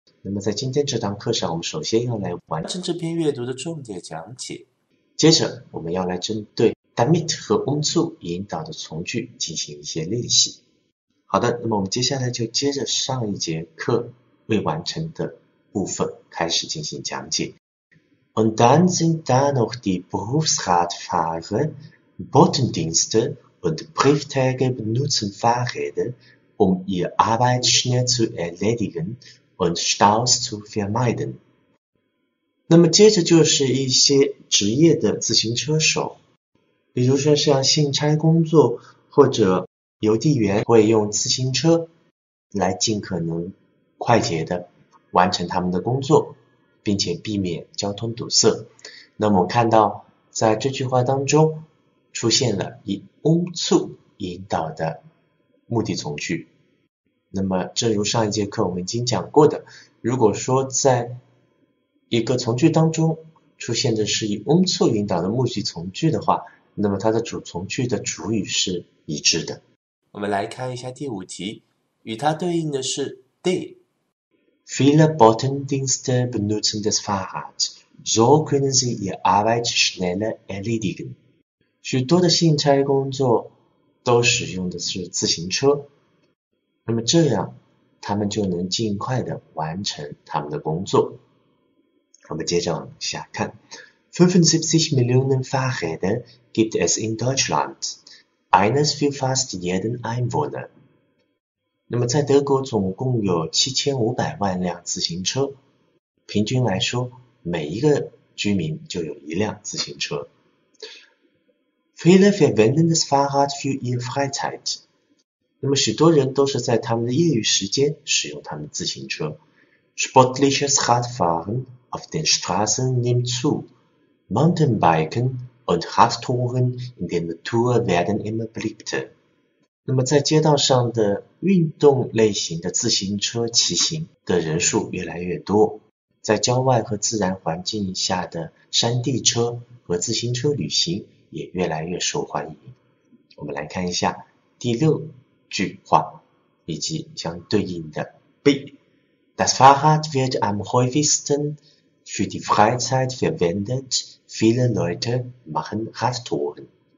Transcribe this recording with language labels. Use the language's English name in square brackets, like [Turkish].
[Chinese] 那么，在今天这堂课上，我们首先要来完成这篇阅读的重点讲解，接着我们要来针对damit 和 umzu 引导的从句进行一些练习。好的，那么我们接下来就接着上一节课未完成的部分开始进行讲解。 [German] Und dann sind da noch die Berufsradfahrer, Botendienste und Briefträge benutzen Fahrräder, um ihr Arbeit schnell zu erledigen und Staus zu vermeiden. [Chinese] 那么接着就是一些职业的自行车手，比如说像信差工作或者邮递员会用自行车来尽可能快捷的完成他们的工作，并且避免交通堵塞。那么我看到在这句话当中出现了以 umzu 引导的目的从句。那么正如上一节课我们已经讲过的，如果说在一个从句当中出现的是以 umzu 引导的目的从句的话，那么它的主从句的主语是一致的。我们来看一下第五题，与它对应的是 de。 [German] Viele Botendienste benutzen das Fahrrad, so können sie ihre Arbeit schneller erledigen。 [Chinese] 许多的信差工作都使用的是自行车，那么这样他们就能尽快的完成他们的工作。我们接着往下看。 [German] 75 Millionen Fahrräder gibt es in Deutschland, eines für fast jeden Einwohner. [Chinese] 那么在德国总共有7500万辆自行车，平均来说，每一个居民就有一辆自行车。 [German] Viele verwenden das Fahrrad für ihre Freizeit. [Chinese] 那么许多人都是在他们的业余时间使用他们的自行车。 [German] Sportliches Radfahren auf den Straßen nimmt zu. Mountainbiken und Radtouren in der Natur werden immer beliebter. [Chinese] 那么在街道上的运动类型的自行车骑行的人数越来越多，在郊外和自然环境下的山地车和自行车旅行也越来越受欢迎。我们来看一下第六句话以及相对应的 B. [German] Das Fahrrad wird am häufigsten für die Freizeit verwendet. Viele Leute machen Radtouren.